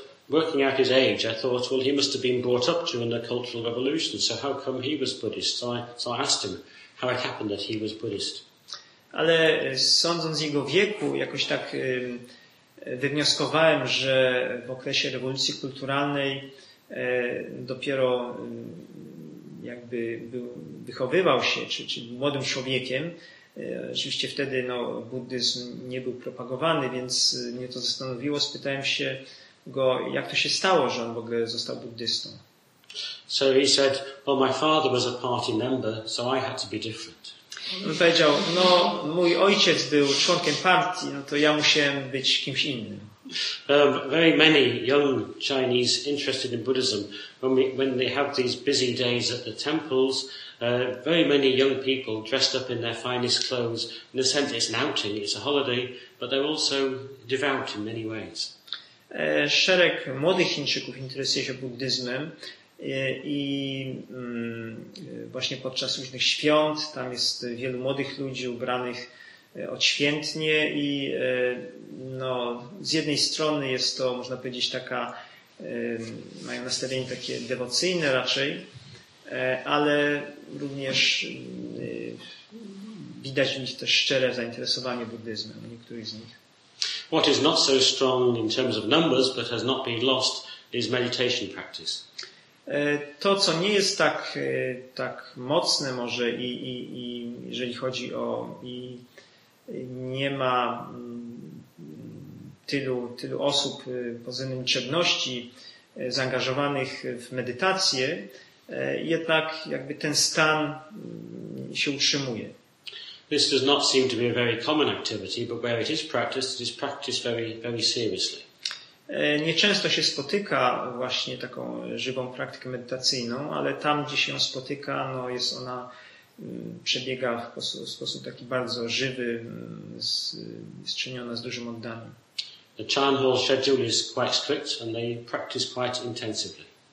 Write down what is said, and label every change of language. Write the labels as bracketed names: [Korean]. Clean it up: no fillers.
[English] Working out his age, I thought, well, he must have been brought up during the Cultural Revolution, so how come he was Buddhist? So I asked him how it happened that he was Buddhist. [Polish] Ale sądząc z jego wieku, jakoś tak wywnioskowałem, że w okresie rewolucji kulturalnej dopiero jakby wychowywał się, czy młodym człowiekiem. Oczywiście wtedy no, buddyzm nie był propagowany, więc mnie to zastanowiło, spytałem się go, jak to się stało, że on w ogóle został buddystą. [English] So he said, well, my father was a party member, so I had to be different. [Polish] On powiedział, no, mój ojciec był członkiem partii, no to ja musiałem być kimś innym. [English] Very many young Chinese interested in Buddhism, when they have these busy days at the temples, very many young people dressed up in their finest clothes, in a sense it's an outing, it's a holiday, but they're also devout in many ways. [Polish] Szereg młodych Chińczyków interesuje się buddyzmem i właśnie podczas różnych świąt tam jest wielu młodych ludzi ubranych odświętnie i no, z jednej strony jest to, można powiedzieć, taka, mają nastawienie takie dewocyjne raczej, ale również widać w nich też szczere zainteresowanie buddyzmem, niektórych z nich. [English] What is not so strong in terms of numbers, but has not been lost, is meditation practice. [Polish] To, co nie jest tak mocne może i jeżeli chodzi o i nie ma tylu osób pozytywnej liczebności zaangażowanych w medytację, jednak jakby ten stan się utrzymuje. [English] This does not seem to be a very common activity, but where it is practiced very, very seriously. [Polish] Nieczęsto się spotyka właśnie taką żywą praktykę medytacyjną, ale tam, gdzie się ją spotyka, no jest ona, przebiega w sposób taki bardzo żywy, jest czyniona z dużym oddaniem. [English] The town hall schedule is quite strict and they practice quite intensively.